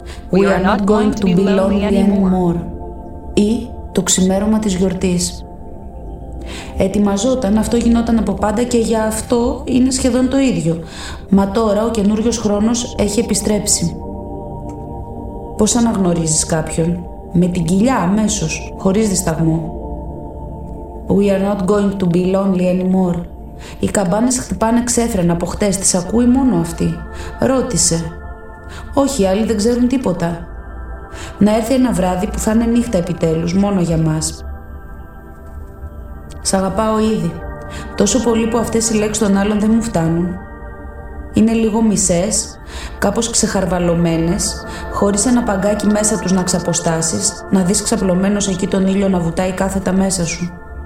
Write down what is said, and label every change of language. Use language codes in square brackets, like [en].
[en] We are not going to be lonely anymore. [el] Ή το ξημέρωμα της γιορτής. Ετοιμαζόταν, αυτό γινόταν από πάντα και για αυτό είναι σχεδόν το ίδιο. Μα τώρα ο καινούριος χρόνος έχει επιστρέψει. Πώς αναγνωρίζεις κάποιον? Με την κοιλιά αμέσως, χωρίς δισταγμό. [en] We are not going to be lonely anymore. [el] Οι καμπάνες χτυπάνε ξέφρενα από χτες, τις ακούει μόνο αυτή. Ρώτησε. Όχι, άλλοι δεν ξέρουν τίποτα. Να έρθει ένα βράδυ που θα είναι νύχτα επιτέλους, μόνο για μας. Σ' αγαπάω ήδη. Τόσο πολύ που αυτές οι λέξεις των άλλων δεν μου φτάνουν. Είναι λίγο μισές, κάπως ξεχαρβαλωμένες, χωρίς ένα παγκάκι μέσα τους να ξαποστάσεις, να δεις ξαπλωμένος εκεί τον ήλιο να βουτάει κάθετα μέσα σου.